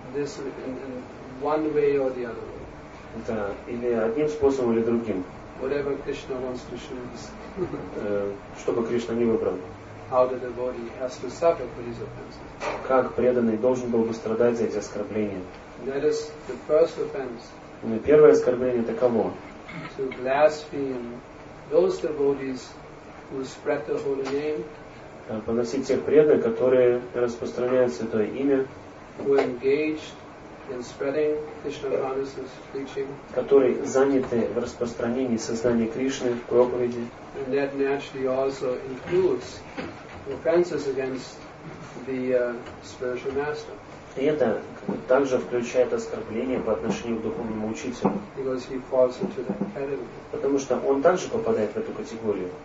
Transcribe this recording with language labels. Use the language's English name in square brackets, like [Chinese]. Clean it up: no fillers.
[English] This, in one way or the other way. [Russian] Да, или одним способом, или другим. [English] Whatever Krishna wants to choose. [Russian] Чтобы Кришна не выбрал. [English] How the devotee has to suffer for his offenses. [Russian] Как преданный должен был бы страдать за эти оскорбления? [English] That is the first offense. [Russian] Но первое оскорбление таково. [English] To blaspheme those devotees who spread the holy name. [Russian] Поносить тех преданных, которые распространяют Святое Имя, [English] who engaged in spreading Krishna consciousness preaching, [Russian] которые заняты в распространении сознания Кришны, в проповеди. [English] And that naturally also includes offenses against the spiritual master. [Russian] И это также включает оскорбление по отношению к духовному учителю. [English] Because he falls into that category. [Russian] Потому что он также попадает в эту категорию.